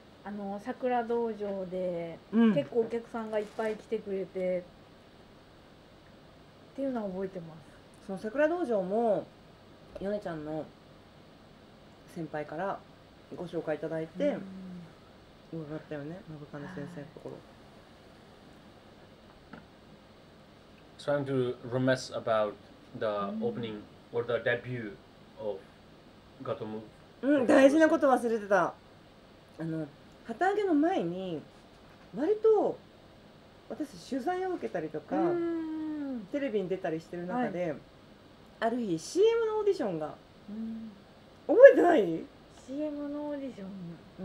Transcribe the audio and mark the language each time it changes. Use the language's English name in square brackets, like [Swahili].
[Japanese] あの桜道場で結構お客さんがいっぱい来てくれて、っていうのは覚えてます。その桜道場もヨネちゃんの先輩からご紹介いただいて伺ったよね、信金先生のところ。 [English] Trying to reminisce about the opening or the debut of Gato [Japanese] Move。 大事なこと忘れてた。あの旗揚げの前に割と私取材を受けたりとかテレビに出たりしてる中で、はい、ある日 CM のオーディションが覚えてない？ CM のオーディション、